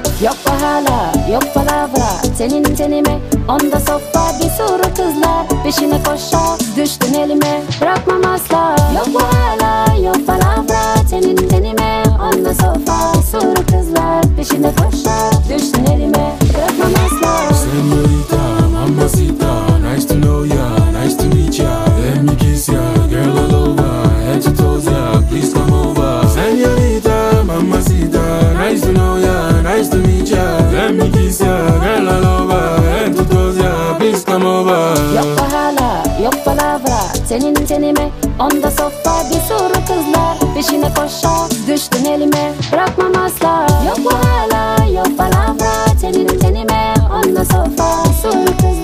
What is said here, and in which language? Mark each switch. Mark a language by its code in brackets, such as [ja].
[tr] Yok bahala, yok palavra, senin tenime onda sofra, bir sürü kızlar peşine koşar, düştün elime, bırakmam asla. Yok bahala, yok palavra, senin tenime onda sofra, bir sürü kızlar peşine koşar, düştün elime, bırakmam asla. [es] Señorita, mamacita, [en] nice to know ya, nice to meet ya. Let me kiss ya, girl all over, head to toes ya, please come over. [es] Señorita, mamacita, [en] nice to know ya, nice to meet ya. Let me kiss ya, girl all over, head to toes ya, please come over. [tr] Yok bahala, yok palavra, senin tenime onda sofra, bir sürü kızlar peşine koşar, düştün elime, bırakmam asla. Yok bahala, yok palavra, senin tenime onda sofra, bir sürü kızlar.